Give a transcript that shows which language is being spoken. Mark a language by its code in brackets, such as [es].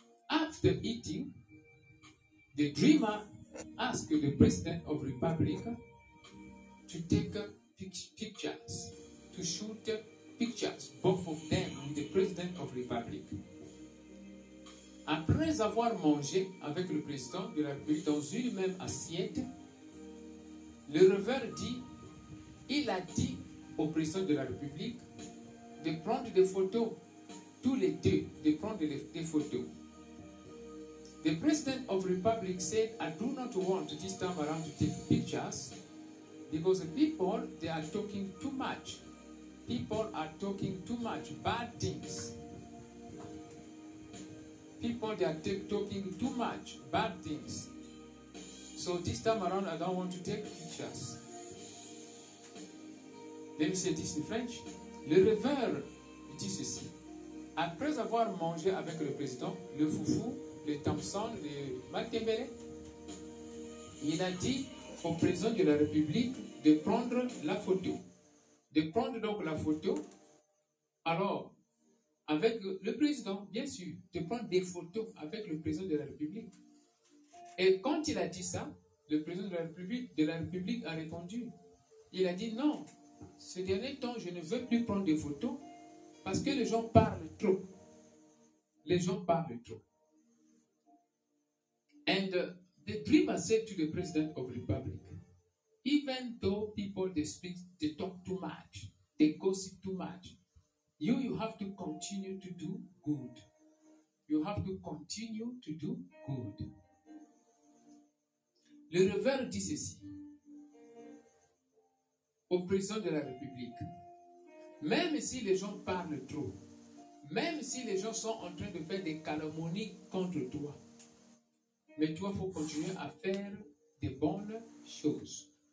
[en] After eating, the dreamer asked the president of Republic to take pictures, to shoot pictures, both of them, with the president of Republic. [fr] Après avoir mangé avec le président de la République dans une même assiette, le rêveur dit, il a dit au président de la République de prendre des photos, tous les deux, de prendre des photos. [en] The president of the Republic said, I do not want this time around to take pictures because the people, they are talking too much. People are talking too much, bad things. People, they are talking too much, bad things. So this time around, I don't want to take pictures. Let me say this in French. [fr] Le rêveur dit ceci. Après avoir mangé avec le président, le foufou, le Thompson, le Maltembele, il a dit au président de la République de prendre la photo. De prendre donc la photo, alors, avec le président, bien sûr, de prendre des photos avec le président de la République. Et quand il a dit ça, le président de la République a répondu, il a dit non, ce dernier temps, je ne veux plus prendre des photos parce que les gens parlent trop. Les gens parlent trop. [en] And the dream I said to the president of the Republic, even though people they speak, they talk too much, they gossip too much, you have to continue to do good. You have to continue to do good. [fr] Le rêveur dit ceci au président de la République. Même si les gens parlent trop, même si les gens sont en train de faire des calomnies contre toi, mais toi, il faut continuer à faire des bonnes choses.